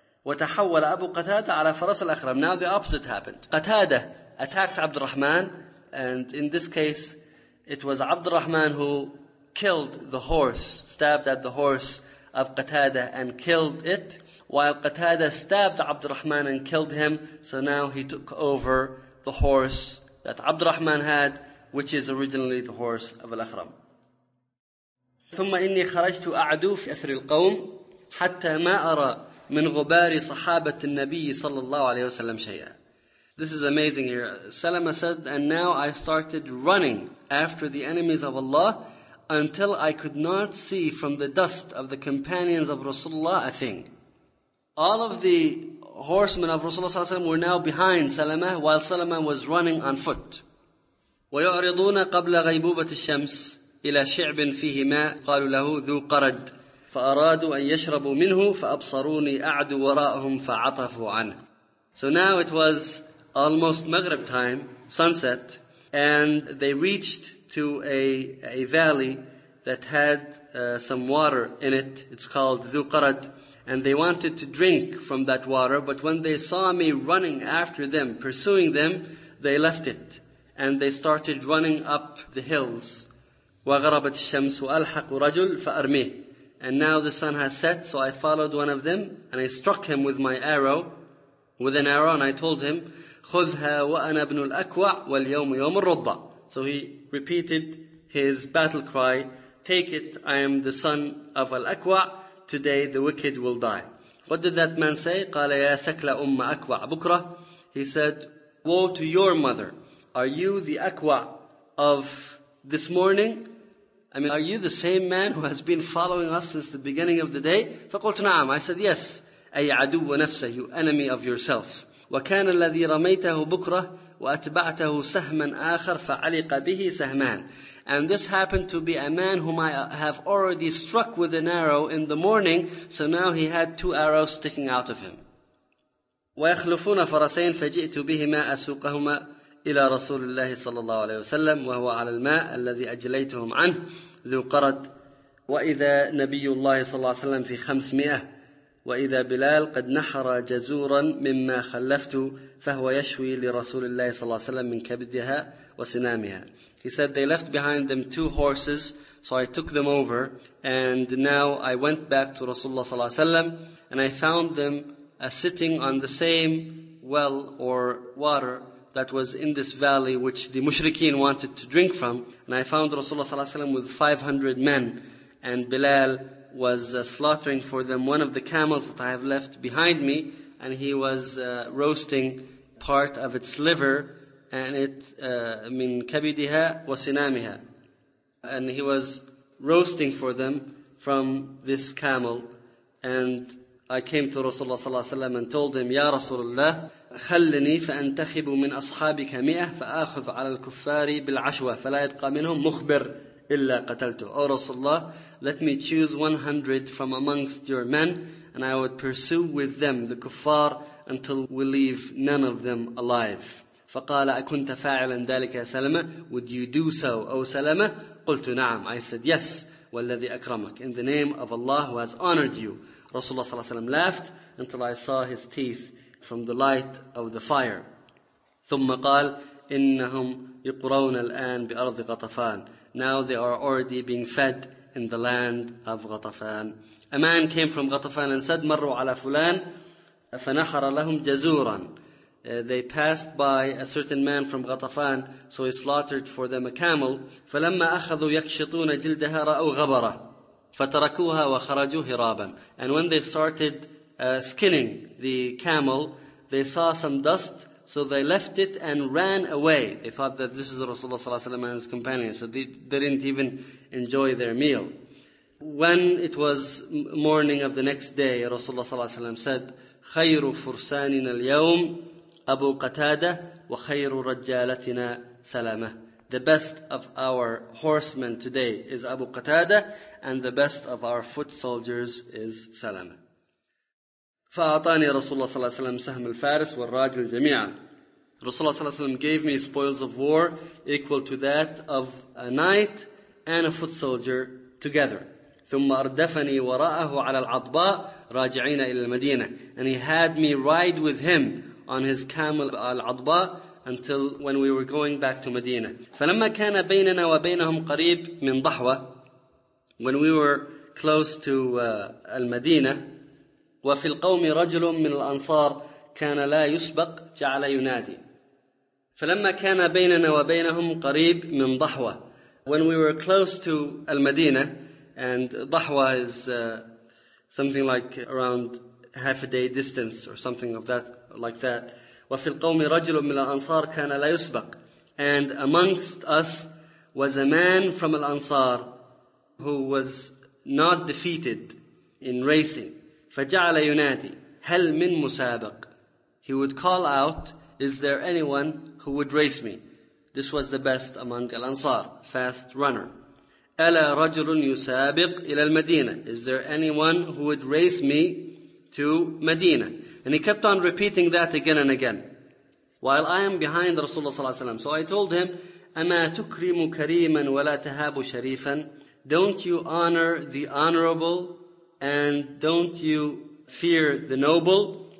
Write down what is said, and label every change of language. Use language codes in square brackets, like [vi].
[ar] وتحول أبو قتادة على فرس الأخرم. [en] Now the opposite happened. Qatada attacked Abd al-Rahman, and in this case, it was Abd al-Rahman who killed the horse, stabbed at the horse of Qatada and killed it, while Qatada stabbed Abd al-Rahman and killed him. So now he took over the horse that Abd al-Rahman had, which is originally the horse of al-Akhram. [ar] ثم إني خرجت أعدو في أثر القوم حتى ما أرى من غبار صحابة النبي صلى الله عليه وسلم شيئا. [en] This is amazing here. Salama said, and now I started running after the enemies of Allah until I could not see from the dust of the companions of Rasulullah a thing. All of the horsemen of Rasulullah صلى الله عليه وسلم were now behind Salama while Salama was running on foot. [ar] ويعرضون قبل غيبوبة الشمس إلى شعب فيه ماء قالوا له ذو قرد. فأرادوا أن يشربوا منه فأبصروني أعدوا وراءهم فعطفوا عنه. [en] So now it was almost Maghrib time, sunset, and they reached to a valley that had some water in it. It's called Dhu Qarad, and they wanted to drink from that water, but when they saw me running after them, pursuing them, they left it, and they started running up the hills. [ar] وغربت الشمس وألحق رجل فأرميه. [en] And now the sun has set, so I followed one of them, and I struck him with my arrow, with an arrow, and I told him, [ar] خُذْهَا وَأَنَا بْنُ الْأَكْوَعِ وَالْيَوْمُ يَوْمُ الرُّضَّعِ. [en] So he repeated his battle cry, take it, I am the son of Al-Akwa', today the wicked will die. What did that man say? [ar] قَالَ يَا ثَكْلَ أُمَّ أَكْوَعَ بُكْرَةِ. [en] He said, woe to your mother, are you the Akwa' of this morning? I mean, are you the same man who has been following us since the beginning of the day? [ar] فَقُلْتُ نَعَمْ. [en] I said, yes. [ar] أي عدو نفسه, [en] you enemy of yourself. [ar] وَكَانَ الَّذِي رَمَيْتَهُ بُكْرَةُ وَأَتْبَعْتَهُ سَهْمًا آخَرَ فَعَلِقَ بِهِ سَهْمًا. [en] And this happened to be a man whom I have already struck with an arrow in the morning, so now he had two arrows sticking out of him. [ar] وَيَخْلُفُونَ فَرَسَيْنَ فَجِئْتُ بِهِمَا أَسُوقَهُمَا إلى رسول الله صلى الله عليه وسلم وهو على الماء الذي أجليتهم عنه ذو قرد وإذا نبي الله صلى الله عليه وسلم في 500 وإذا بلال قد نحر جزورا مما خلفت فهو يشوي لرسول الله صلى الله عليه وسلم من كبدها وسنامها. [en] He said they left behind them two horses, so I took them over, and now I went back to Rasulullah صلى الله عليه وسلم, and I found them sitting on the same well or water that was in this valley which the mushrikeen wanted to drink from. And I found Rasulullah صلى الله عليه وسلم with 500 men, and Bilal was slaughtering for them one of the camels that I have left behind me, and he was roasting part of its liver, and it [ar] من كبدها وسنامها, [en] and he was roasting for them from this camel, and I came to Rasulullah sallallahu alayhi wa sallam and told him, Ya Rasulullah, [ar] خلني فأنتخب من أصحابك مئة فأخذ على الكفار بالعشوة فلا يبقى منهم مخبر إلا قتلته. [en] Oh Rasulullah, let me choose 100 from amongst your men and I would pursue with them the kuffar until we leave none of them alive. [ar] فقال أكنت فاعلا ذلك يا سلمة؟ [en] Would you do so, O [ar] سلمة؟ قلت نعم. [en] I said yes. [ar] والذي أكرمك. [en] In the name of Allah who has honored you. Rasulullah sallallahu alayhi wa sallam laughed until I saw his teeth from the light of the fire. [ar] ثم قال إنهم يقرون الآن بأرض غطفان. [en] Now they are already being fed in the land of غطفان. A man came from غطفان and said [ar] مروا على فلان فنحر لهم جزورا. [en] They passed by a certain man from غطفان, so he slaughtered for them a camel. [ar] فلما أخذوا يكشطون جلدها رأوا غبرة فتركوها وخرجوا هرابا. [en] And when they started skinning the camel, they saw some dust, so they left it and ran away. They thought that this is Rasulullah sallallahu alaihi wasallam and his companions, so they didn't even enjoy their meal. When it was morning of the next day, Rasulullah sallallahu alaihi wasallam said, [ar] خير فرساننا اليوم أبو قتادة وخير رجالتنا سلامة. [en] The best of our horsemen today is Abu Qatada, and the best of our foot soldiers is Salama. [ar] فأعطاني رسول الله صلى الله عليه وسلم سهم الفارس والراجل جميعا. [en] رسول الله صلى الله عليه وسلم gave me spoils of war equal to that of a knight and a foot soldier together. [ar] ثم أردفني وراءه على العطباء راجعين إلى المدينة. [en] And he had me ride with him on his camel العطباء until when we were going back to Medina. [ar] فلما كان بيننا وبينهم قريب من ضحوة, [en] when we were close to [ar] المدينة, وفي القوم رجل من الأنصار كان لا يسبق جعل ينادي. فلما كان بيننا وبينهم قريب من ضحوة, [en] when we were close to المدينة, and ضحوة is something like around half a day distance or something of that like that. [ar] وفي القوم رجل من الأنصار كان لا يسبق. [en] And amongst us was a man from الأنصار who was not defeated in racing. [ar] فجعل ينادي هل من مسابق. [en] He would call out, is there anyone who would race me? This was the best among الأنصار, fast runner. [ar] ألا رجل يسابق إلى المدينة. [en] Is there anyone who would race me to Medina? And he kept on repeating that again and again. While I am behind Rasulullah sallallahu alayhi wa sallam. So I told him, [ar] أَمَا تُكْرِمُ كَرِيمًا وَلَا تَهَابُ شَرِيفًا. [en] Don't you honor the honorable and don't you fear the noble?